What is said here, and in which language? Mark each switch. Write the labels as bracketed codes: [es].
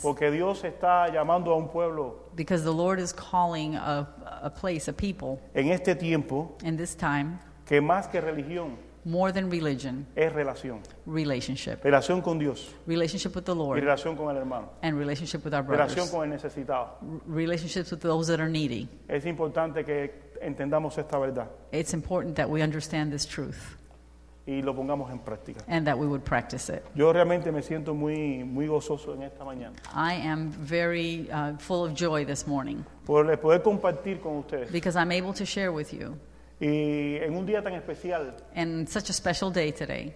[es] Porque Dios está llamando a un pueblo. [en] Because the Lord is calling a place, a people. [es] En este tiempo. [en] In this time. [es] Que más que religión. [en] More than religion. [es] Es relación. [en] Relationship. [es] Relación con Dios. [en] Relationship with the Lord. [es] Y relación con el hermano. [en] And relationship with our brothers. [es] Relación con el necesitado. [en] Relationships with those that are needy. [es] Es importante que entendamos esta verdad. [en] It's important that we understand this truth. [es] Y lo pongamos en práctica. [en] And that we would practice it. [es] Yo realmente me siento muy, muy gozoso en esta mañana. [en] I am very full of joy this morning. [es] Por poder compartir con ustedes. [en] Because I'm able to share with you. [es] Y en un día tan especial. [en] And such a special day today.